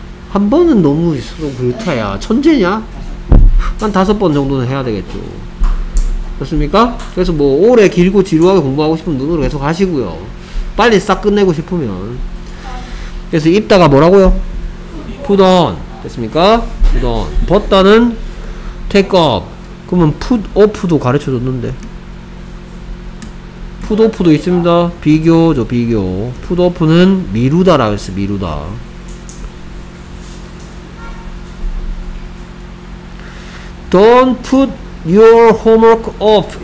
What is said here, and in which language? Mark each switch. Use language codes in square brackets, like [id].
[ko] 한 번은 너무 그렇다야. 천재냐? 한 5번 정도는 해야 되겠죠. 그렇습니까? 그래서 뭐 오래 길고 지루하게 공부하고 싶으면 눈으로 계속 하시고요. 빨리 싹 끝내고 싶으면. 그래서 입다가 뭐라고요? [en] put on. [ko] 됐습니까? [en] put on. 벗다는 take off. [ko] 그러면 put off도 가르쳐 줬는데. put off도 있습니다. 비교죠, 비교. put off는 미루다라고 했어, 미루다. [en] don't put your homework off.